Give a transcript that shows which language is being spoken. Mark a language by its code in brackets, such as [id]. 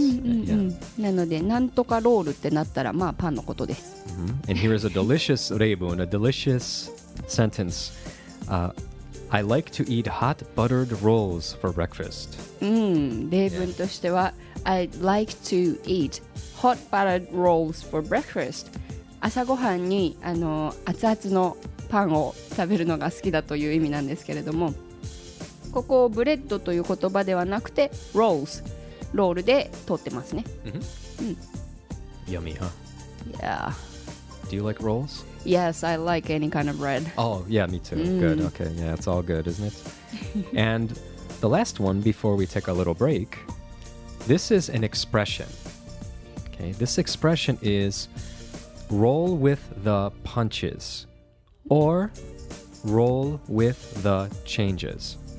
[ja] Mm-hmm. Yeah. なので、なんとかロールってなったら、まあ、パンのことです。 Mm-hmm. [en] And here is a delicious reibun, a delicious sentence.、I like to eat hot buttered rolls for breakfast. Reibun としては、I like to eat hot buttered rolls for breakfast. [ja] 朝ごはんにあの熱々のパンを食べるのが好きだという意味なんですけれどもここをブレッドという言葉ではなくてロールスロールで通ってますね、 [en] mm-hmm. うん、Yummy, huh? Yeah Do you like rolls? Yes, I like any kind of bread Oh, yeah, me too、mm. Good, okay, yeah, it's all good, isn't it? And the last one before we take a little break This is an expression Okay, this expression isRoll with the punches or roll with the changes.